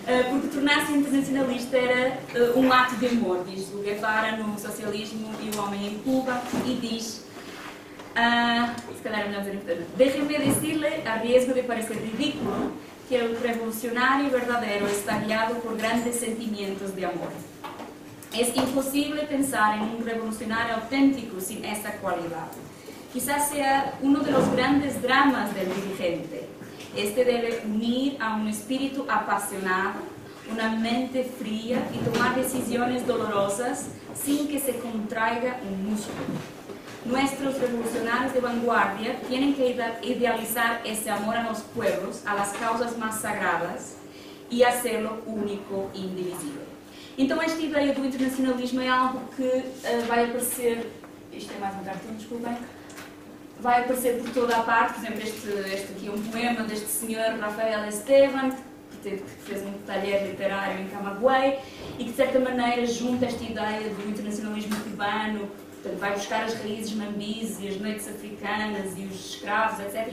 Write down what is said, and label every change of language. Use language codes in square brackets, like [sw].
[pt] porque tornar-se internacionalista era um ato de amor, diz o Guevara no Socialismo e o Homem em Cuba, e diz, se calhar é melhor dizer em português, [es] déjeme decirle a riesgo de parecer ridículo que el revolucionario verdadero está guiado por grandes sentimientos de amor. Es imposible pensar en un revolucionario auténtico sin esta cualidad. Quizás sea uno de los grandes dramas del dirigente. Este debe unir a un espíritu apasionado, una mente fría y tomar decisiones dolorosas sin que se contraiga un músculo. Nuestros revolucionarios de vanguardia tienen que idealizar ese amor a los pueblos, a las causas más sagradas y hacerlo único e indivisible. [pt] Então, esta ideia do internacionalismo é algo que vai aparecer. Isto é mais um cartão, desculpem. Vai aparecer por toda a parte. Por exemplo, este aqui é um poema deste senhor Rafael Esteban, que fez um talher literário em Camagüey e que, de certa maneira, junta esta ideia do internacionalismo cubano, portanto, vai buscar as raízes mambis e as noites africanas e os escravos, etc.